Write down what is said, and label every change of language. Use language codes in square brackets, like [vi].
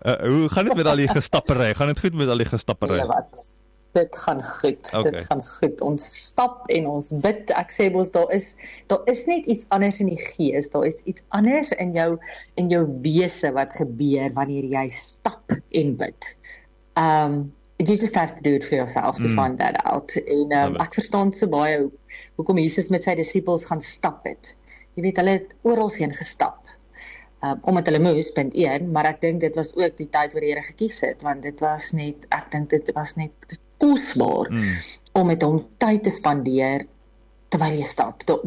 [af] Hoe gaan dit met al die gestappery? Gaan dit goed met al die gestappery? Nee, wat? Dit gaan goed. Okay. Dit gaan goed. Ons stap en ons bid. Ek sê mos daar is net iets anders in die gees. Daar is iets anders in jou wese wat gebeur wanneer jy stap en bid. [en] You just have to do it for yourself to find that out. [af] En ek verstaan so baie hoekom Jesus met sy disippels gaan stap het. Jy weet, hulle het oral heen gestap. Omdat hulle moes, punt 1, maar ek dink dit was ook die tyd waar die Here gekies het, want dit was net, ek dink dit was net kosbaar om met hom tyd te spandeer terwyl jy stap.